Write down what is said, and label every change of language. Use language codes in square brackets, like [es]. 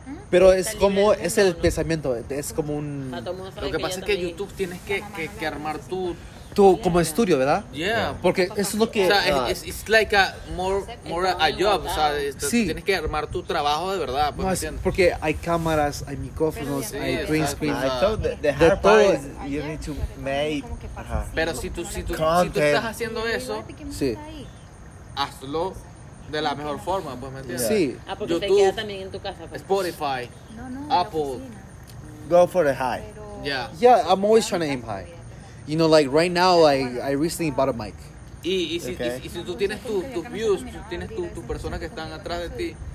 [es] Pero es como, es el pensamiento, es como un... Lo que pasa es que YouTube tienes que armar tu... Tu, como estudio, ¿verdad? [en] Yeah. [es] Porque eso es lo que... O sea, [en] it's like a more a job, [es] o sea, tienes que armar tu trabajo de verdad. No, es porque hay cámaras, hay micrófonos, hay green screen. [en] I thought the hard part is you need to make... [es] Pero si tú estás haciendo eso... Sí. Hazlo... De la mejor forma, pues, ¿me entiendes? Sí. Ah, porque YouTube, te queda también en tu casa. ¿Cómo? Spotify. No, Apple. [en] Go for the high. Yeah. Yeah, I'm always trying to aim high. You know, like, right now, like, I recently bought a mic. [es] Y si tú tienes tus views, tú tienes tu persona que están atrás de ti.